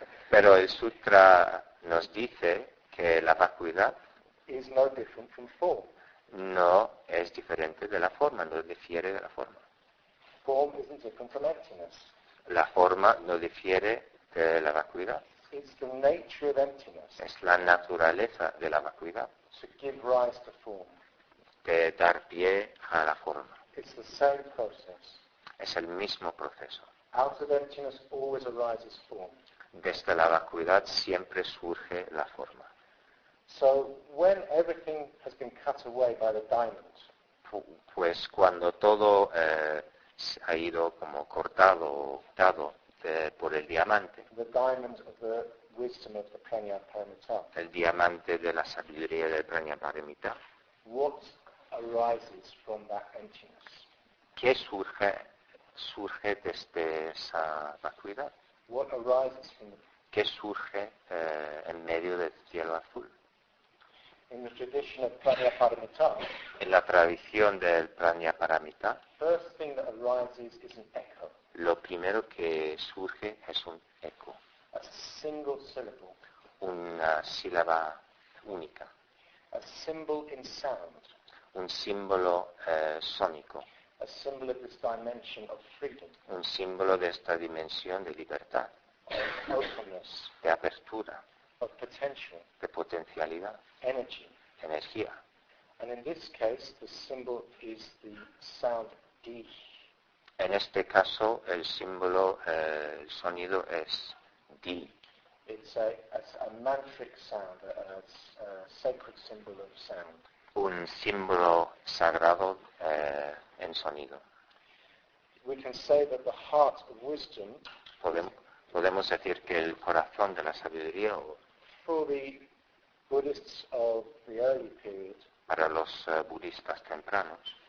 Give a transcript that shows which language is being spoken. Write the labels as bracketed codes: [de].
[es] Pero el sutra nos dice que la vacuidad [en] is no different from form. [es] No es diferente de la forma, no difiere de la forma. [en] Form isn't different from emptiness. [es] La forma no difiere de la vacuidad. [en] It's the nature of emptiness. [es] Es la naturaleza de la vacuidad. [en] To give rise to form. [es] De dar pie a la forma. [en] It's the same process. [es] Es el mismo proceso. [en] Out of emptiness always arises form. [es] Desde la vacuidad siempre surge la forma. [en] So when everything has been cut away by the diamond. [es] Pues cuando todo ha ido como cortado o cortado por el diamante. [en] The diamond of the wisdom of the Prajnaparamita. [es] El diamante de la sabiduría del Prajnaparamita. [en] What arises from that emptiness? [es] ¿Qué surge? ¿Surge desde esa vacuidad? [en] What arises from [es] ¿Qué surge en medio del cielo azul? [en] In the tradition of Prajnaparamita, [es] en la tradición del Prajnaparamita, [en] first thing that arises is an echo. [es] Lo primero que surge es un eco. [en] A single syllable. [es] Una sílaba única. [en] A symbol in sound. [es] Un símbolo sónico. [en] A symbol of this dimension of freedom. [es] Un símbolo de esta dimensión de libertad. [en] Of openness. [es] De apertura. [en] Of potential. [es] De potencialidad. [en] Energy. [es] Energía. [en] And in this case, the symbol is the sound D. [es] En este caso, el símbolo, el sonido es D. [en] It's a mantric sound, a sacred symbol of sound. [es] Un símbolo sagrado en sonido. [en] We can say that the heart of wisdom. [es] Podemos decir que el corazón de la sabiduría. [en] For the Buddhists of the early period. [es] Para los budistas tempranos.